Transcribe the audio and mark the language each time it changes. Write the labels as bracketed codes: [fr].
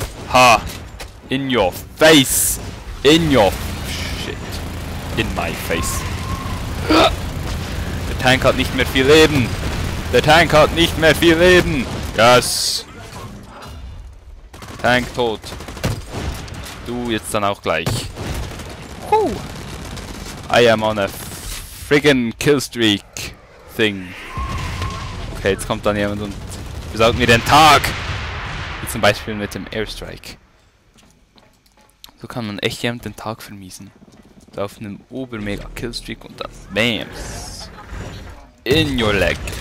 [en] Ha! In your face! In your shit! In my face! [de] Der Tank hat nicht mehr viel Leben! Der Tank hat nicht mehr viel Leben! Yes! Tank tot! Du jetzt dann auch gleich! [en] I am on a friggin' killstreak thing! [de] Okay, jetzt kommt dann jemand und besaugt mir den Tag! Wie zum Beispiel mit dem Airstrike. So kann man echt jemand den Tag vermiesen. So auf einem obermega Killstreak und dann BAMS! [en] In your leg!